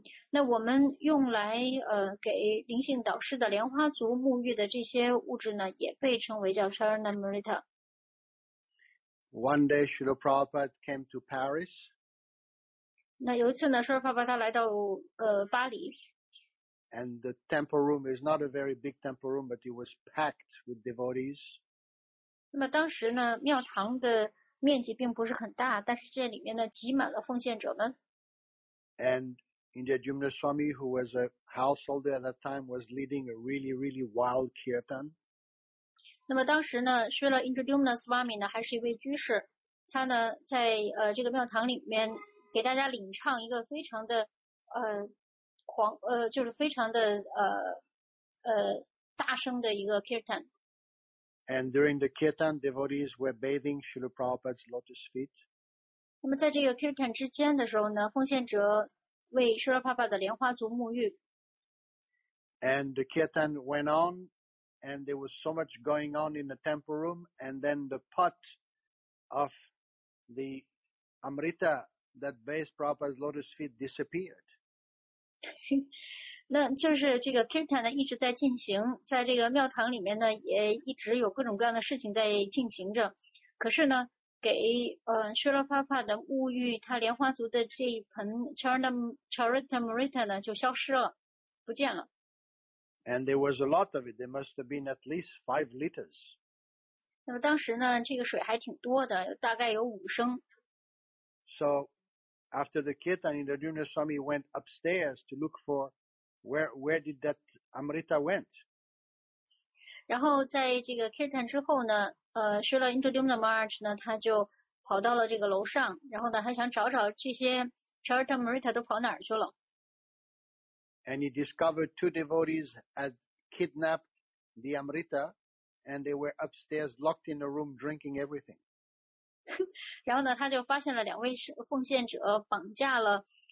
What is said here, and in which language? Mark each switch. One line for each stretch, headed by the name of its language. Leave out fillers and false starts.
Chinese: 那我们用来给灵性导师的莲花足沐浴的这些物质呢，也被称为叫 Charanamrita。
English: One day, Srila Prabhupada came to Paris.
Chinese: 那有一次呢，Srila Prabhupada他来到巴黎。
English: And the temple room is not a very big temple room, but it was packed with devotees.
Chinese: 那么当时呢，庙堂的面积并不是很大，但是这里面呢，挤满了奉献者们。
English: And Indrajumna Swami, who was a householder at that time, was leading a really, really wild kirtan.
Chinese: 那么当时呢，学了 Indrajumna Swami 呢，还是一位居士，他呢在这个庙堂里面给大家领唱一个非常的就是非常的大声的一个 kirtan.
English: And during the kirtan, devotees were bathing Srila Prabhupada's lotus feet.
Chinese: 那么在这个 kirtan 之间的时候呢，奉献者为 Srila Prabhupada 的莲花足沐浴。
English: And the kirtan went on, and there was so much going on in the temple room, and then the pot of the Amrita that bathed Prabhupada's lotus feet disappeared.
Chinese: 那就是这个 kirtan 呢一直在进行，在这个庙堂里面呢也一直有各种各样的事情在进行着，可是呢。给Srila Prabhupada 的沐浴他莲花足的这一盆 Charanamrita 呢就消失了，不见了。
English: And there was a lot of it. There must have been at least 5 liters.
Chinese: 那么当时呢，这个水还挺多的，大概有5升。
English: So after the kirtan, Indrajumna Swami went upstairs to look for Where did that Amrita went?
Chinese: 然后在这个 Kirtan 之后呢，说了 Indudumna March 呢，他就跑到了这个楼上，然后呢，还想找找这些 Charitamrita 都跑哪儿去了。
English: And he discovered two devotees had kidnapped the Amrita, and they were upstairs locked in a room drinking everything.
Chinese: 然后呢，他就发现了两位奉献者绑架了。